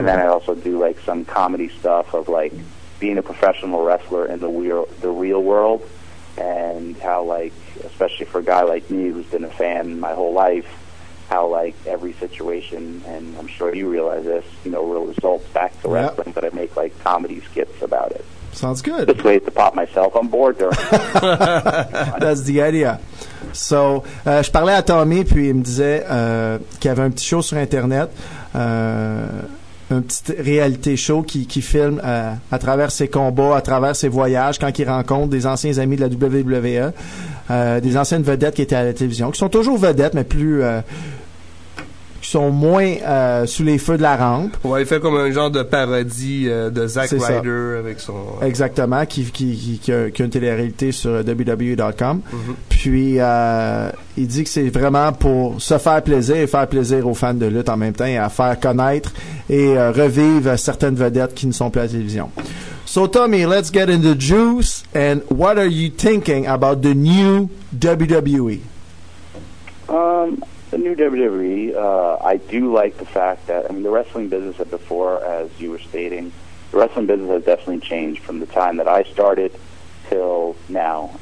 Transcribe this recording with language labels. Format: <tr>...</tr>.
<en>And then I also do, like, some comedy stuff of, like, being a professional wrestler in the real world, and how, like, especially for a guy like me who's been a fan my whole life, how, like, every situation, and I'm sure you realize this, you know, real results back to wrestling, but I make, like, comedy skits about it. Sounds good. Just wait to pop myself on board during That's the idea.</en> <fr>So, je parlais à Tommy, puis il me disait qu'il y avait un petit show sur Internet, un petit réalité show qui filme à travers ses combats, à travers ses voyages, quand il rencontre des anciens amis de la WWE, des anciennes vedettes qui étaient à la télévision, qui sont toujours vedettes, mais plus... qui sont moins sous les feux de la rampe. Ouais, il fait comme un genre de parodie de Zack Ryder avec son... Exactement, qui a une télé-réalité sur WWE.com. Mm-hmm. Puis, il dit que c'est vraiment pour se faire plaisir et faire plaisir aux fans de lutte en même temps et à faire connaître et revivre certaines vedettes qui ne sont plus à la télévision.</fr> <en>So, Tommy, let's get into juice. And what are you thinking about the new WWE? The new WWE, I do like the fact that, I mean, the wrestling business of before, as you were stating, the wrestling business has definitely changed from the time that I started till now.</en>